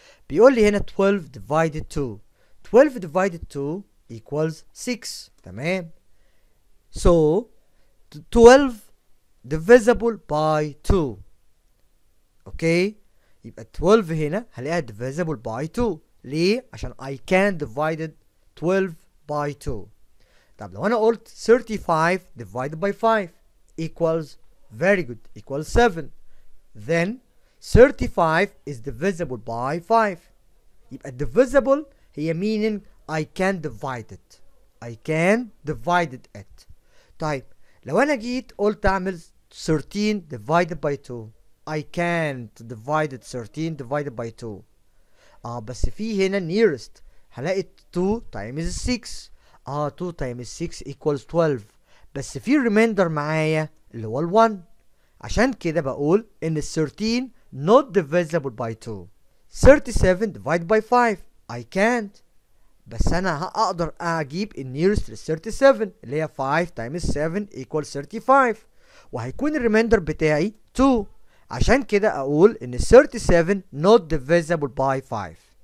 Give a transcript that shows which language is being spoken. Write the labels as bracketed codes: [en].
[ar] بيقول لي هنا [en] 12 ديفايدد 2، 12 ديفايدد 2 ايكوالز 6، [ar] تمام. [en] So 12 divisible by 2. Okay. [ar] يبقى 12 هنا هلاقيها [en] divisible by 2. [ar] ليه؟ عشان [en] I can divide it 12 by 2. [ar] طب لو انا قلت [en] 35 divided by 5 equals very good equals 7. Then 35 is divisible by 5. يبقى divisible هي meaning I can divide it. I can divide it. [ar] طيب لو انا جيت قلت اعمل [en] 13 divided by 2، I can't divide it 13 divided by 2. [ar] بس في هنا nearest هلاقي 2 times 6. [en] 2 times 6 equals 12، [ar] بس في remainder معايا اللي هو ال 1، عشان كده بقول ان [en] 13 not divisible by 2. 37 divided by 5، I can't، [ar] بس انا هقدر اجيب النيرست لل 37 اللي هي [en] 5 times 7 equal 35، [ar] وهيكون الريميندر بتاعي 2، عشان كده اقول ان [en] 37 not divisible by 5.